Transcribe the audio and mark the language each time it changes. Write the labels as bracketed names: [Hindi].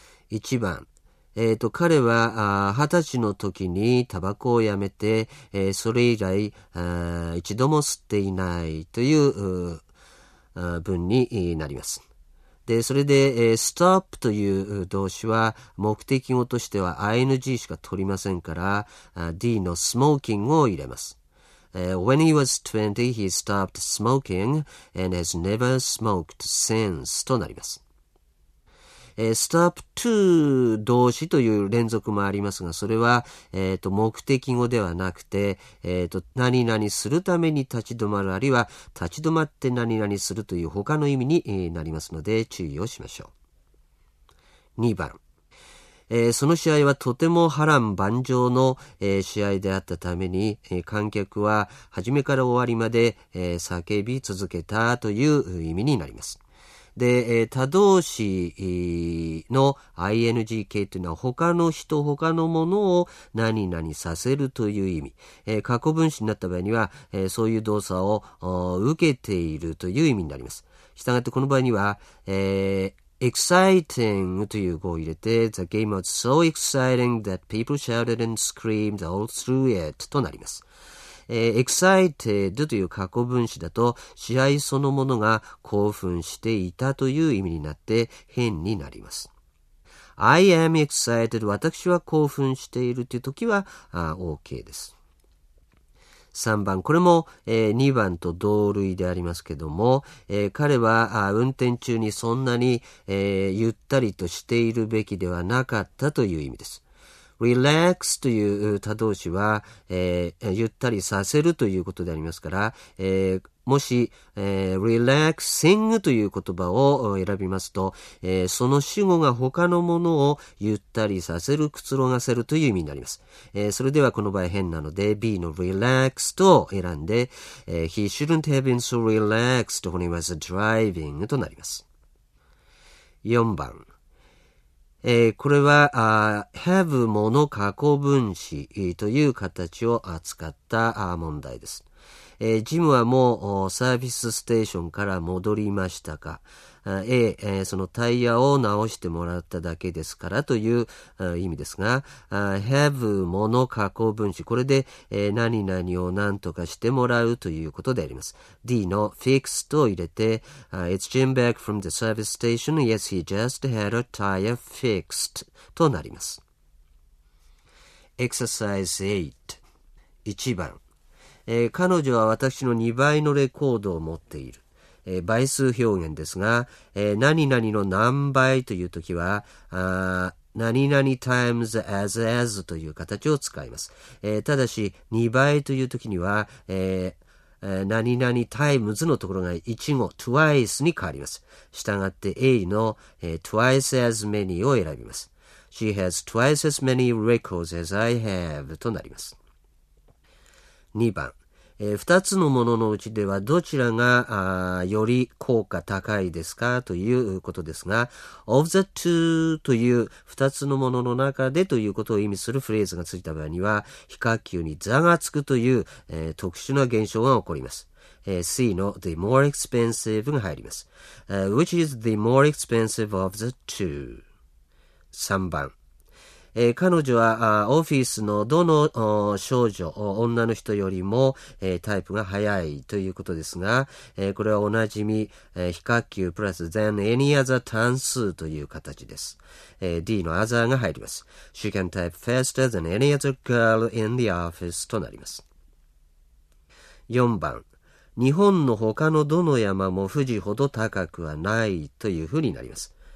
[Japanese] 1番、彼は20歳の時にタバコをやめて、それ以来一度も吸っていないという文になります。で、それで、stop という動詞は目的語としては ing しか取りませんから、D の smoking を入れます。 [English] When he was 20, he stopped smoking and has never smoked since [Japanese] となります。 stop to 動詞という連続もありますが、それは、目的語ではなくて、何々するために立ち止まる、あるいは立ち止まって何々するという他の意味になりますので注意をしましょう。 2番、その試合はとても波乱万丈の、試合であったために、観客は初めから終わりまで、叫び続けたという意味になります。で、他動詞の ing 形というのは他の人、他のものを何々させるという意味、過去分詞になった場合には、そういう動作を受けているという意味になります。したがってこの場合には、exciting という語を入れて [English] The game was so exciting that people shouted and screamed all through it [Japanese] となります。 excited という過去分詞だと試合そのものが興奮していたという意味になって変になります。 [English] I am excited、 [Japanese] 私は興奮しているという時は OK です。 3番、これも、2番と同類でありますけども、彼は運転中にそんなに、ゆったりとしているべきではなかったという意味です。 relax という他動詞は、ゆったりさせるということでありますから、もし、relaxing という言葉を選びますと、その主語が他のものをゆったりさせる、くつろがせるという意味になります。それではこの場合変なので B の relax と選んで、 [English] he shouldn't have been so relaxed when he was driving [Japanese] となります。 4番、これは、have もの過去分詞という形を扱った問題です。ジムはもうサービスステーションから戻りましたか。 A、そのタイヤを直してもらっただけですからという意味ですが、have もの過去分詞、これで、何々を何とかしてもらうということであります。 D の fix と入れて、 [English] It's Jim back from the service station. Yes, he just had a tire fixed [Japanese] となります。 Exercise 8.1 番、彼女は私の2倍のレコードを持っている。倍数表現ですが、何々の何倍というときは、何々 times as という形を使います。ただし、2倍というときには、何々 times のところが1語、twice に変わります。したがって A の、twice as many を選びます。 [English] She has twice as many records as I have [Japanese] となります。 2番。二つのもののうちではどちらがより効果高いですかということですが、of the two という二つのものの中でということを意味するフレーズがついた場合には、比較級に座がつくという、特殊な現象が起こります。 C の the more expensive が入ります。 [English] Which is the more expensive of the two? [Japanese] 3番。彼女はオフィスのどの少女、女の人よりもタイプが早いということですが、これはおなじみ、比較級プラス than any other 単数という形です。 D の other が入ります。 [English] She can type faster than any other girl in the office [Japanese] となります。 4番、日本の他のどの山も富士ほど高くはないというふうになります。